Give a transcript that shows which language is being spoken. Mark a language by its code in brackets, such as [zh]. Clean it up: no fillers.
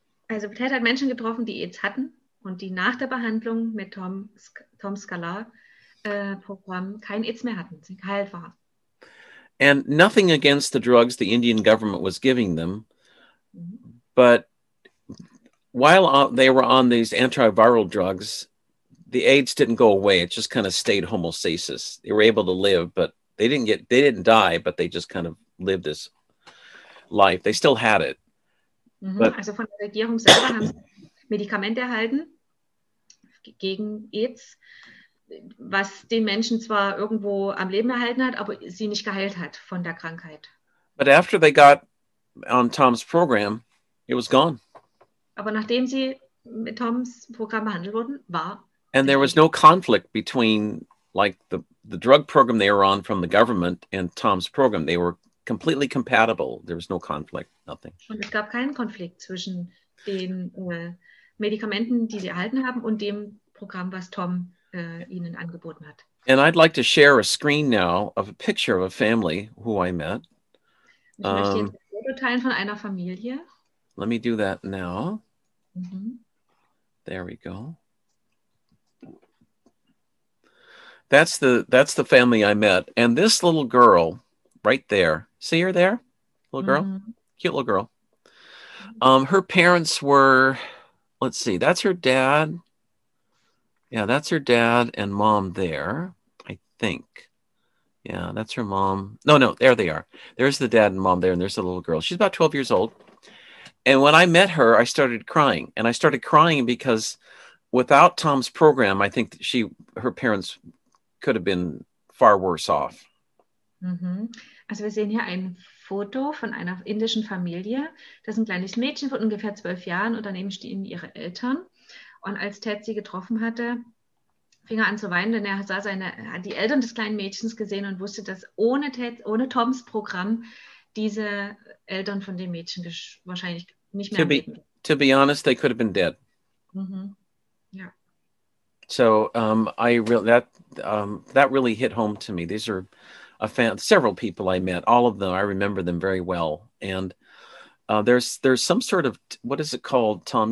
[de] Also Ted hat Menschen getroffen, die AIDS hatten und die nach der Behandlung mit Tom Scalar Programm kein AIDS mehr hatten, sie geheilt waren. [en] And nothing against the drugs the Indian government was giving them. But while they were on these antiviral drugs, the AIDS didn't go away. It just kind of stayed homeostasis. They were able to live, but they didn't die, but they just kind of lived this life. They still had it. [de] Mm-hmm. But, also von der Regierung selber haben sie Medikamente erhalten gegen AIDS, was den Menschen zwar irgendwo am Leben erhalten hat, aber sie nicht geheilt hat von der Krankheit. [en] But after they got on Tom's program, it was gone. [de] Aber nachdem sie mit Toms Programm behandelt wurden, war. [en] And there was no conflict between like the drug program they were on from the government and Tom's program. They were completely compatible. There was no conflict, nothing. [de] Und es gab keinen Konflikt zwischen den Medikamenten, die sie erhalten haben, und dem Programm, was Tom ihnen angeboten hat. [en] And I'd like to share a screen now of a picture of a family who I met. [de] Ich möchte jetzt ein Foto von einer Familie. [en] Let me do that now. Mm-hmm. There we go. That's the family I met. And this little girl right there. See her there? Little girl? Mm-hmm. Cute little girl. Her parents were, let's see, that's her dad. Yeah, that's her dad and mom there, I think. Yeah, that's her mom. No, there they are. There's the dad and mom there, and there's the little girl. She's about 12 years old. And when I met her, I started crying. And I started crying because without Tom's program, I think that her parents could have been far worse off. Mm-hmm. [de] Also wir sehen hier ein Foto von einer indischen Familie. Das ist ein kleines Mädchen von ungefähr 12 Jahren und daneben stehen ihre Eltern. Und als Ted sie getroffen hatte, fing er an zu weinen, denn er sah die Eltern des kleinen Mädchens gesehen und wusste, dass ohne Toms Programm diese Eltern von dem Mädchen wahrscheinlich nicht mehr leben. [en] To be honest, they could have been dead. Mm-hmm. Yeah. So that really hit home to me. These are several people I met. All of them, I remember them very well. And there's some sort of, what is it called, Tom?